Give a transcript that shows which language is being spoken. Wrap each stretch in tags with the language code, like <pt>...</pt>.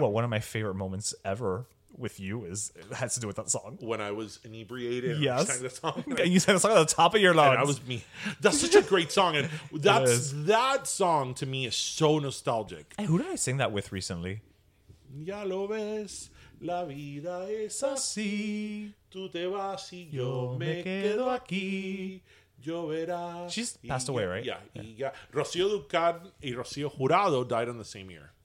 <en>Well, one of my favorite moments ever with you has to do with that song. When I was inebriated, yes. And sang the song. And you sang the song at the top of your lungs. And I was me. That's such a great song. And that song to me is so nostalgic. Hey, who did I sing that with recently?</en> <es>Ya lo ves, la vida es así. Tú te vas y yo me quedo aquí.</es> <en>She's passed away, right? Yeah. Rocío Dúrcal y Rocío Jurado died in the same year.</en>